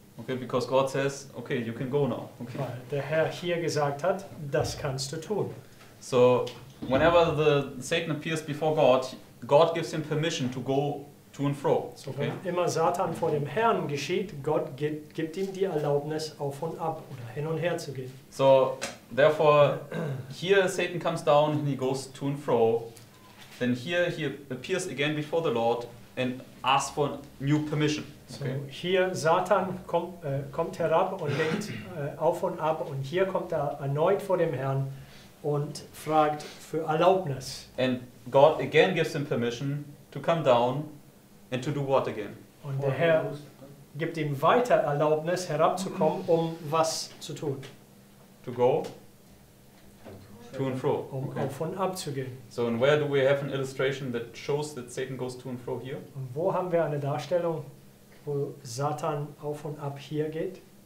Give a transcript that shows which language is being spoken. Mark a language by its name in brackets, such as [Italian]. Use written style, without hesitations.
[English] Okay, because God says, okay, you can go now. Okay. [German] Weil der Herr hier gesagt hat, das kannst du tun. [English] So, whenever the Satan appears before God, God gives him permission to go to and fro. So, okay. [German] Wenn immer Satan vor dem Herrn geschieht, Gott gibt ihm die Erlaubnis, auf und ab oder hin und her zu gehen. [English] So, therefore, here Satan comes down and he goes to and fro. Then here he appears again before the Lord and asks for new permission. Okay. [German] So, hier Satan kommt herab und geht auf und ab und hier kommt er erneut vor dem Herrn und fragt für Erlaubnis. [English] And God again gives him permission to come down. And to do what again? [German] Und der Herr gibt ihm weiter Erlaubnis, herabzukommen, um was zu tun? [English] To go to and fro. Um okay. [German] Auf und ab zu gehen. [English] So, and where do we have an illustration that shows that Satan goes to and fro here? [German] Und wo haben wir eine Darstellung, wo Satan auf und ab hier geht?